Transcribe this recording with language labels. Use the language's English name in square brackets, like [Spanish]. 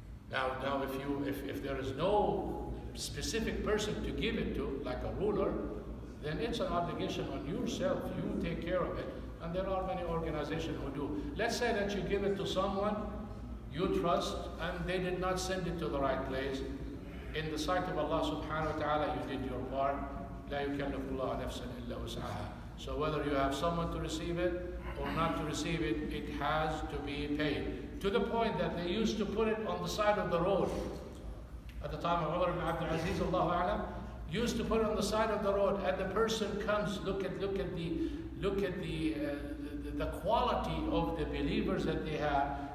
[English] Now if there is no specific person to give it to, like a ruler, then it's an obligation on yourself. You take care of it. And there are many organizations who do. Let's say that you give it to someone you trust and they did not send it to the right place. In the sight of Allah subhanahu wa ta'ala, you did your part. [Arabic] لا يكلف الله نفسا إلا وسعها. [English] So whether you have someone to receive it or not to receive it, it has to be paid. To the point that they used to put it on the side of the road. At the time of Umar ibn Abdul Aziz, Allahu A'lam, used to put it on the side of the road, and the person comes, look at the quality of the believers that they have.